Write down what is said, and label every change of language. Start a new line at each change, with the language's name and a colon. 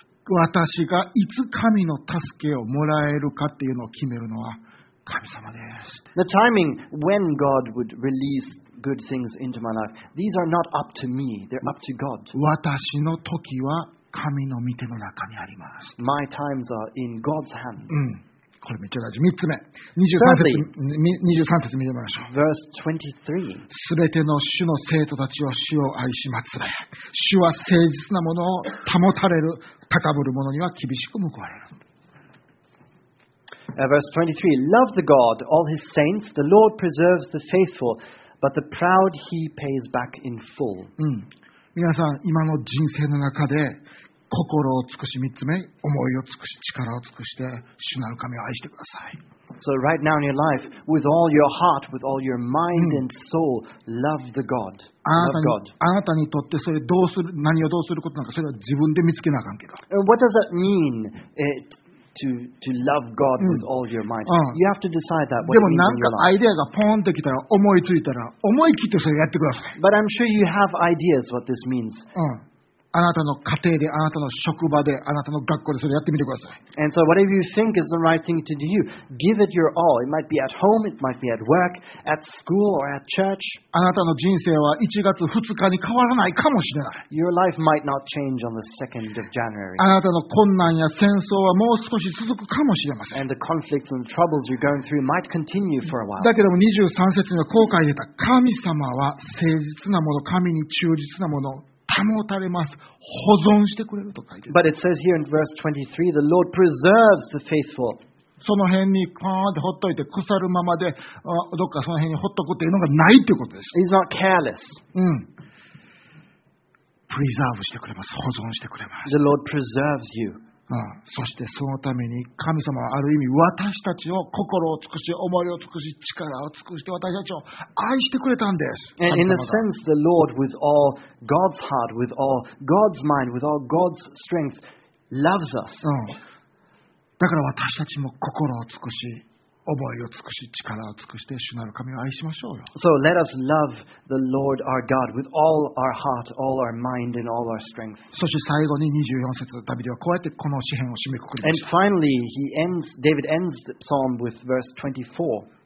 Japanese: 私がいつ神の助けをもらえるかっていうのを決めるのは神様です。
English: The timing when God would release good things into my life, these are not up to me, they're up to God.
Japanese: 私の時は神の御手の中にあります。
English: My times are in God's hand.
Japanese: うん。これめっちゃ大事。三つ目。23節見てみましょう。
English: Verse 23.
Japanese: すべての主の生徒たちは主を愛し祭れ。主は誠実なものを保たれる。高ぶる者には厳しく報われる。
English: Verse 23. Love the God, all his saints. The Lord preserves the faithful, but the proud he pays back in full.
Japanese: 皆さん、今の人生の中で、心を尽くし、三つ目、思いを尽くし、力を尽くして、主なる神を愛してください。
English: So right now in your life, with all your heart, with all your mind and soul, love the God. Love God.
Japanese: あなたにとってそれどうする、何をどうすることなんか、それは自分で見つけなあかんけど。
English: What does that mean, to love God with all your mind? You have to decide that.
Japanese: でもなんかアイデアがポンってきたら、思いついたら、思い切ってそれやってください。
English: But I'm sure you have ideas what this means.
Japanese: あなたの家庭で、あなたの職場で、あなたの学校でそれやってみてください。
English: And so whatever you think is the right thing to do, give it your all. It might be at home, it might be at work, at school or at church.
Japanese: あなたの人生は1月2日に変わらないかもしれない。
English: Your life might not change on the 2nd of January.
Japanese: あなたの困難や戦争はもう少し続くかもしれません。
English: And the conflicts and troubles you're going through might continue for a while.
Japanese: だけども23節にはこう書いてた。神様は誠実なもの、神に忠実なもの、保たれます。保存してくれると書いてある。
English: But it says here in verse 23, the Lord preserves the faithful.
Japanese: その辺にパーンと放っといて腐るままでどっかその辺に放っとくというのがないということです。
English: He's not careless.
Japanese: Preserve してくれます。保存してくれます。
English: The Lord preserves you.
Japanese: そしてそのために神様はある意味私たちを心を尽くし、思いを尽くし、力を尽くして私たちを愛してくれたんです。
English: And in a sense, the Lord with all God's heart, with all God's mind, with all God's strength, loves us.
Japanese: だから私たちも心を尽くし、思いを尽くし、力を尽くして主なる神を愛しましょうよ。
English: So let us love the Lord our God with all our heart, all our mind, and all our strength.
Japanese: そして最後に24節、ダビデはこうやってこの詩編を締めくくりました。
English: And finally, he ends, David ends the psalm with verse 24.